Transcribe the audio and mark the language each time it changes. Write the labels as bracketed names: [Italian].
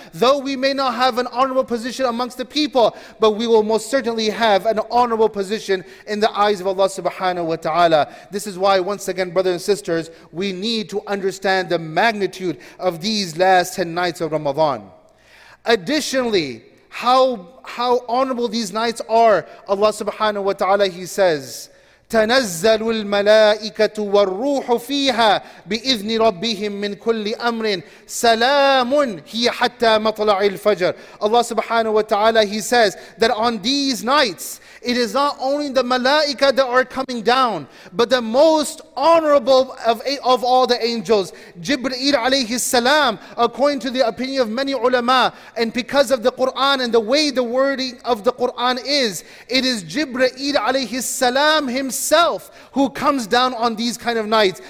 [English] Though we may not have an honorable position amongst the people, but we will most certainly have an honorable position in the eyes of Allah subhanahu wa ta'ala. This is why, once again, brothers and sisters, we need to understand the magnitude of these last 10 nights of Ramadan. Additionally, how honorable these nights are, Allah subhanahu wa ta'ala, He says, [Arabic] تنزل الملائكة والروح فيها بإذن ربهم من كل أمر سلام هي حتى مطلع الفجر. [English] Allah subhanahu wa ta'ala, he says that on these nights, it is not only the malaika that are coming down, but the most honorable of all the angels, Jibreel alayhi salam, according to the opinion of many ulama, and because of the Quran and the way the wording of the Quran is, it is Jibreel alayhi salam himself who comes down on these kind of nights.